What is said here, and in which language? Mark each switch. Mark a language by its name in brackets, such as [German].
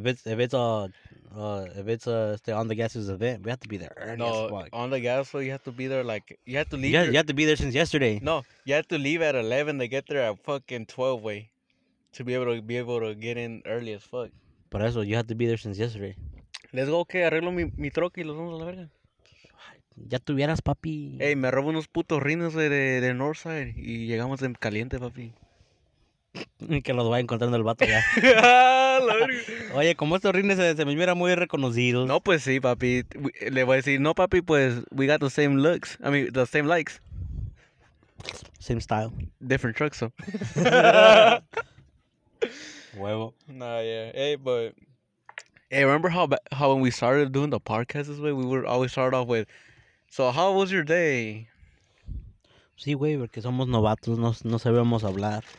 [English] If it's on the gas's event, we have to be there. No, on the gas, so you have to be there, like, you have to leave. Yeah, you have to be there since yesterday. No, you have to leave at 11 to get there at fucking 12, güey. To be able to get in early as fuck. [Spanish] Por eso, [English] you have to be there since yesterday. Let's go, okay, [Spanish] arreglo mi troca y los vamos a la verga. Ya tuvieras, papi. Hey, me robo unos putos rines de Northside y llegamos en caliente, papi. Que los va encontrando el vato ya. La verga. Oye, como estos rines se me mira muy reconocidos. No, pues sí, papi. Le voy a decir, no, papi, pues [English] we got the same looks. I mean, the same likes. Same style. Different trucks, so. [Spanish] Huevo. [English] Nah, yeah. Hey, but hey, remember how when we started doing the podcast this way, we would always start off with, so how was your day? [Spanish] Sí, güey, porque somos novatos, no sabemos hablar.